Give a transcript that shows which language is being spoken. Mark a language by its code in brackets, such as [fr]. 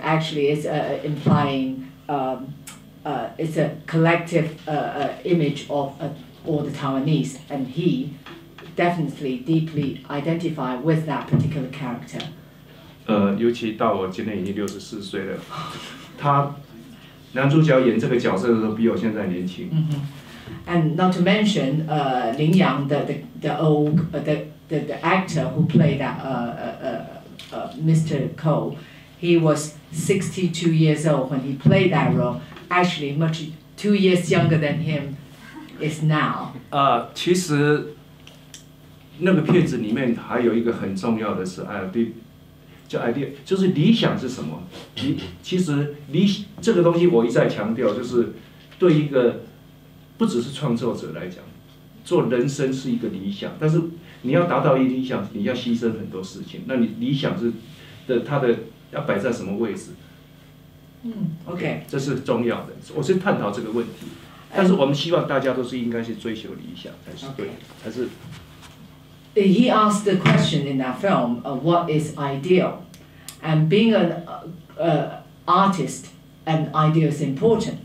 [en] Actually, it's implying it's a collective image of all the Taiwanese, and he definitely deeply identified with that particular character. [zh] 尤其到我今年已经64岁了，他。男主角演这个角色的时候比我现在年轻。 Mm-hmm. [en] And not to mention, Lin Yang, the actor who played that Mr. Ko, he was 62 years old when he played that role. Actually, much 2 years younger than him is now. [zh] 其实那个片子里面还有一个很重要的是 idea 就是理想是什么？其实这个东西我一再强调，就是对一个不只是创作者来讲，做人生是一个理想。但是你要达到一个理想，你要牺牲很多事情。那你理想是的，它的要摆在什么位置？嗯 ，OK，这是重要的。我是探讨这个问题，但是我们希望大家都是应该去追求理想才是对， [en] okay. [zh] 还是。 [en] He asked the question in that film, what is ideal? And being an artist, an ideal is important.